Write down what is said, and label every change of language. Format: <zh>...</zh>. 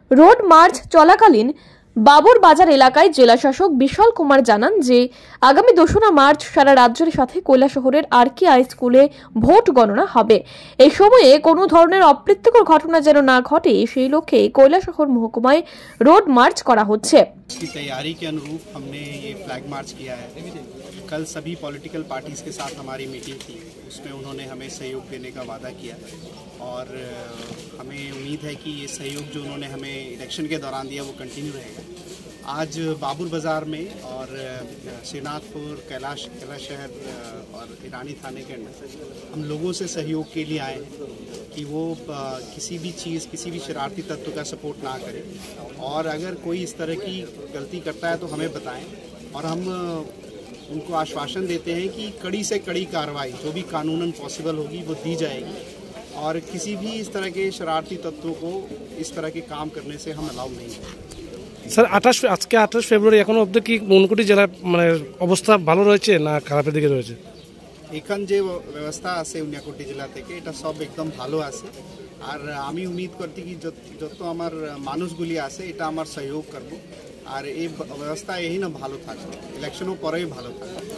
<bn>Road March চলাকালীন বাবর বাজার এলাকায় জেলা শাসক বিশাল কুমার জানান যে আগামী 2 মার্চ সারা রাজ্যের সাথে কৈলা শহরের আরকিআই স্কুলে ভোট গণনা হবে। এই সময়ে কোনো ধরনের অপ্রীতিকর ঘটনা যেন না ঘটে সেই লক্ষ্যে কৈলা শহর মহকুমায় রোড মার্চ করা হচ্ছে।</bn> <hi>तैयारी के अनुरूप हमने ये फ्लैग मार्च किया है। कल सभी पॉलिटिकल पार्टीज के साथ हमारी मीटिंग थी, उसमें उन्होंने हमें सहयोग देने का वादा किया और हमें उम्मीद है कि ये सहयोग जो उन्होंने हमें इलेक्शन के दौरान दिया वो कंटिन्यू रहेगा। आज बाबुर बाज़ार में और श्रीनाथपुर कैलाश शहर और ईरानी थाने के अंदर हम लोगों से सहयोग के लिए आए हैं कि वो किसी भी चीज़ किसी भी शरारती तत्व का सपोर्ट ना करें और अगर कोई इस तरह की गलती करता है तो हमें बताएं और हम उनको आश्वासन देते हैं कि कड़ी से कड़ी कार्रवाई जो भी कानूनन पॉसिबल होगी वो दी जाएगी और किसी भी इस तरह के शरारती तत्वों को इस तरह के काम करने से हम अलाउ नहीं करें।</hi> <bn>স্যার, আজকে 28 ফেব্রুয়ারি এখনো অবধি কি ঊনকোটি জেলার মানে অবস্থা ভালো রয়েছে না খারাপের দিকে রয়েছে? এখান যে ব্যবস্থা আছে ঊনকোটি জেলা থেকে এটা সব একদম ভালো আছে আর আমি উম্মিদ করছি কি যত আমার মানুষগুলি আছে এটা আমার সহযোগ করব আর এই ব্যবস্থা এই না ভালো থাকবে, ইলেকশনও পরেই ভালো থাকবে।</bn>